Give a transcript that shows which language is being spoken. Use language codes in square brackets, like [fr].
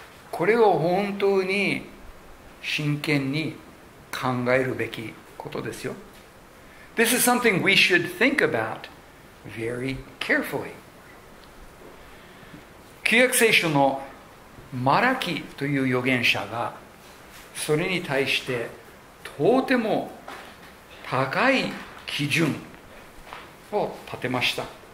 [ja] これを本当に真剣に考えるべきことですよ。 [en] This is something we should think about very carefully. [ja] 旧約聖書のマラキという預言者がそれに対してとても高い基準を立てました。